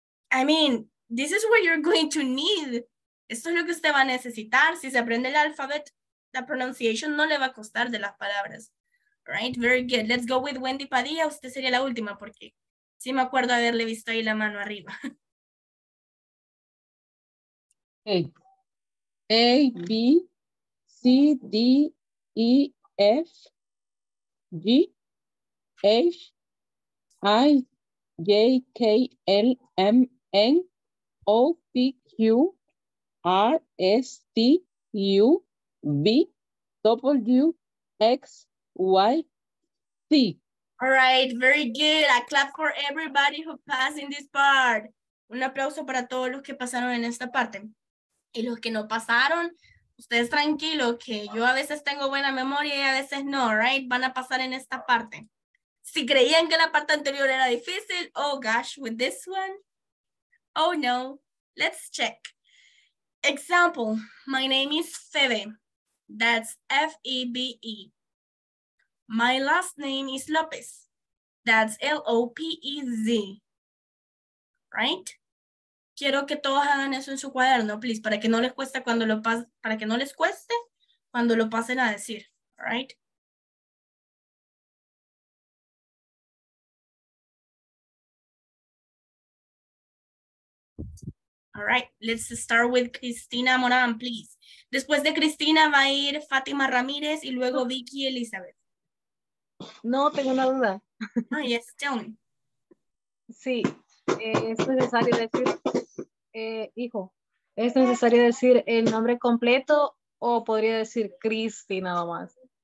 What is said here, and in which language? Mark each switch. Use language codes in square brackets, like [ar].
[en] I mean, this is what you're going to need. [es] Esto es lo que usted va a necesitar. Si se aprende el alphabet, la pronunciation no le va a costar de las palabras. Right? Very good. [en] Let's go with Wendy Padilla. [es] Usted sería la última porque sí me acuerdo haberle visto ahí la mano arriba. [en] Hey. A, B, C, D, E, F, G, H, I, J, K, L, M, N, O, P, Q, R, S, T, U, B, W, X, Y, Z. All right, very good. I clap for everybody who passed in this part. [es] Un aplauso para todos los que pasaron en esta parte. Y los que no pasaron, ustedes tranquilos que yo a veces tengo buena memoria y a veces no, right? Van a pasar en esta parte. Si creían que la parte anterior era difícil, [en] oh gosh, with this one. Oh no, let's check. Example, my name is Febe. That's F-E-B-E. My last name is Lopez. That's L-O-P-E-Z. Right? [es] Quiero que todos hagan eso en su cuaderno, please, para que no les cueste cuando lo pasen a decir. [en] Right? All right, let's start with Cristina Morán, please. [es] Después de Cristina va a ir Fátima Ramírez y luego Vicky Elizabeth. No, tengo una duda. [en] Oh, yes, tell me. [es] Sí, es necesario decir, hijo, ¿es necesario decir el nombre completo o podría decir Cristina nomás?